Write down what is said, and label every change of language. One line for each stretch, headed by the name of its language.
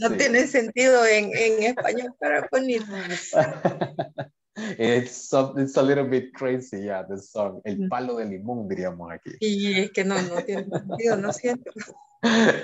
Spanish: see. No tiene sentido en español para ponernos.
English: It's a little bit crazy, yeah, the song.
Spanish: El palo de limón, diríamos aquí. Y es que no tiene sentido, no siento.